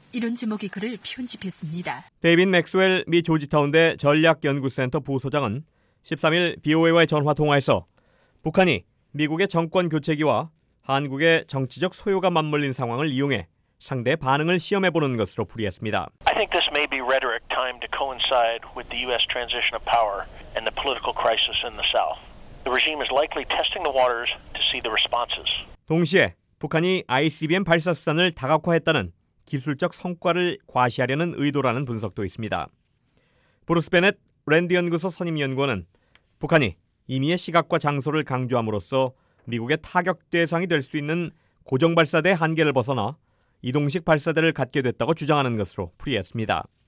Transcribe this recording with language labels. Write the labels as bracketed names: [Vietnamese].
[Korean] 이런 제목의 글을 편집했습니다. 데이빈 맥스웰 미 조지타운대 전략연구센터 부소장은 13일 BOA와의 전화 통화에서 북한이 미국의 정권 교체기와 한국의 정치적 소요가 맞물린 상황을 이용해 상대 반응을 시험해 보는 것으로 풀이했습니다. [English] I think this may be rhetoric time to coincide with the US transition of power and the political crisis in the south. The regime is likely testing the waters to see the responses. [Korean] 동시에 북한이 ICBM 발사 수단을 다각화했다는 기술적 성과를 과시하려는 의도라는 분석도 있습니다. 브루스 베넷 랜드 연구소 선임 연구원은 북한이 임의의 시각과 장소를 강조함으로써 미국의 타격 대상이 될 수 있는 고정 발사대 한계를 벗어나 이동식 발사대를 갖게 됐다고 주장하는 것으로 풀이했습니다.